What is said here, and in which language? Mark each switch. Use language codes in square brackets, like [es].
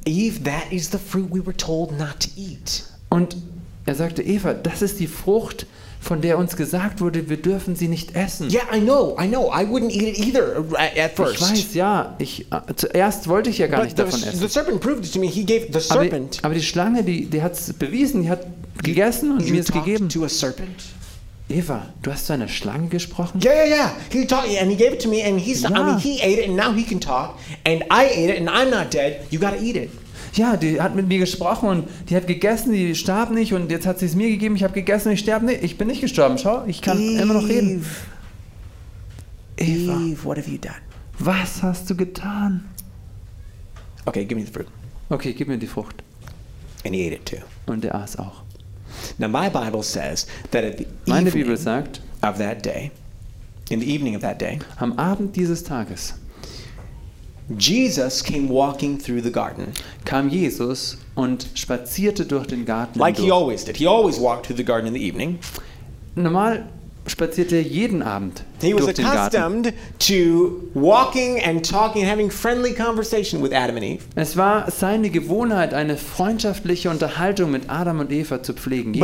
[en] Eve, that is the fruit we were told not to eat. [de] Und sagte, Eva, das ist die Frucht, von der uns gesagt wurde, wir dürfen sie nicht essen. [en] Yeah, I know. I wouldn't eat it either at first. [de] Ich weiß, ja. Zuerst wollte ich ja gar [en] But [de] nicht davon essen. [en] The serpent proved it to me. He gave the serpent. [de] Aber die Schlange, die hat es bewiesen. Die hat gegessen und mir es gegeben. [en] You talked to a serpent? [de] Eva, du hast zu einer Schlange gesprochen? [en] Yeah. He talked, and he gave it to me, and he's, ja. I mean, he ate it, and now he can talk, and I ate it, and I'm not dead. You gotta eat it. [de] Ja, die hat mit mir gesprochen und die hat gegessen, die starb nicht und jetzt hat sie es mir gegeben, ich habe gegessen und ich sterbe nicht. Ich bin nicht gestorben, schau, ich kann [en] Eve, [de] immer noch reden. [en] Eva, what have you done? [de] Was hast du getan? [en] Okay, give me the fruit. [de] Okay, gib mir die Frucht. [en] And he ate it too. [de] Und er aß auch. [en] Now my Bible says that at the [de] Meine Bibel sagt, [en] of that day, in the evening of that day, [de] am Abend dieses Tages, [en] Jesus came walking through the garden. [de] Kam Jesus und spazierte durch den Garten. [en] Like [de] durch. [en] He always did. He always walked through the garden in the evening. [de] Normal spazierte er jeden Abend [en] he [de] durch den Garten. [en] He was accustomed to walking and talking and having friendly conversation with Adam and Eve. [de] Es war seine Gewohnheit, eine freundschaftliche Unterhaltung mit Adam und Eva zu pflegen jeden